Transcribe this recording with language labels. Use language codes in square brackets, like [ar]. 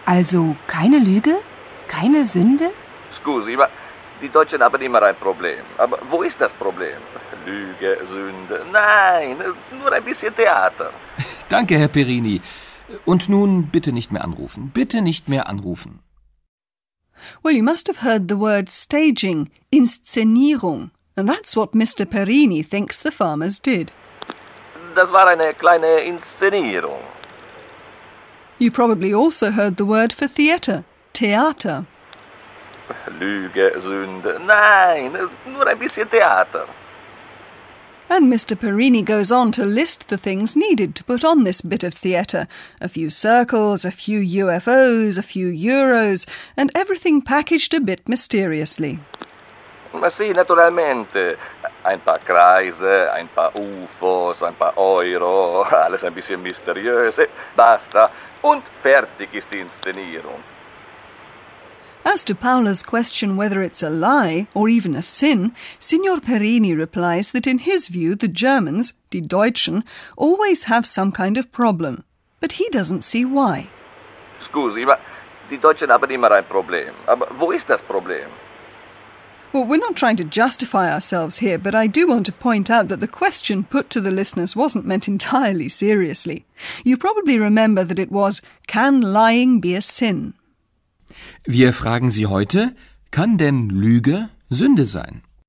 [de] Also keine Lüge? Keine Sünde? [it] Scusi, ma [de] die Deutschen haben immer ein Problem. Aber wo ist das Problem? Lüge, Sünde? Nein, nur ein bisschen Theater. Danke, Herr Perini. Und nun bitte nicht mehr anrufen. Bitte nicht mehr anrufen. [en] Well, you must have heard the word staging, Inszenierung. And that's what Mr. Perini thinks the farmers did. [de] Das war eine kleine Inszenierung. [en] You probably also heard the word for theater, Theater. [de] Lüge, Sünde. Nein, nur ein bisschen Theater. [en] And Mr. Perini goes on to list the things needed to put on this bit of theater. A few circles, a few UFOs, a few euros, and everything packaged a bit mysteriously. [it] Ma sì, naturalmente. [de] Ein paar Kreise, ein paar UFOs, ein paar Euro, alles ein bisschen mysteriöse. Basta. Und fertig ist die Inszenierung. [en] As to Paola's question whether it's a lie or even a sin, Signor Perini replies that in his view the Germans, [de] die Deutschen, [en] always have some kind of problem. But he doesn't see why. [it] Scusi, ma [de] die Deutschen haben immer ein Problem. Aber wo ist das Problem? [en] Well, we're not trying to justify ourselves here, but I do want to point out that the question put to the listeners wasn't meant entirely seriously. You probably remember that it was, can lying be a sin? [de] Wir fragen Sie heute, kann denn Lüge Sünde sein?